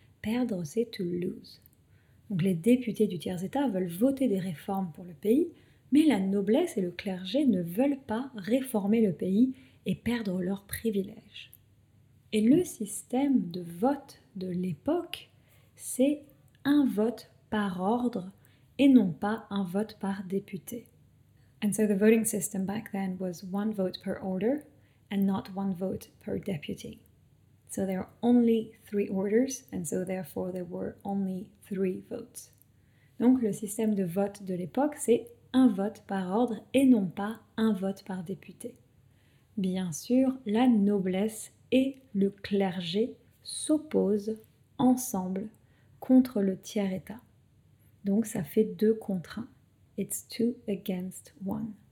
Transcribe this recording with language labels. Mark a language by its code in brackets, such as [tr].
[fr] Perdre, c'est [en] to lose. [fr] Donc les députés du tiers état veulent voter des réformes pour le pays, mais la noblesse et le clergé ne veulent pas réformer le pays et perdre leurs privilèges. Et le système de vote de l'époque, c'est un vote par ordre et non pas un vote par député. [en] And so the voting system back then was one vote per order and not one vote per deputy. So there are only three orders and so therefore there were only three votes. [fr] Donc le système de vote de l'époque, c'est un vote par ordre et non pas un vote par député. Bien sûr, la noblesse et le clergé s'opposent ensemble contre le tiers état. Donc ça fait 2-1. [en] It's 2-1.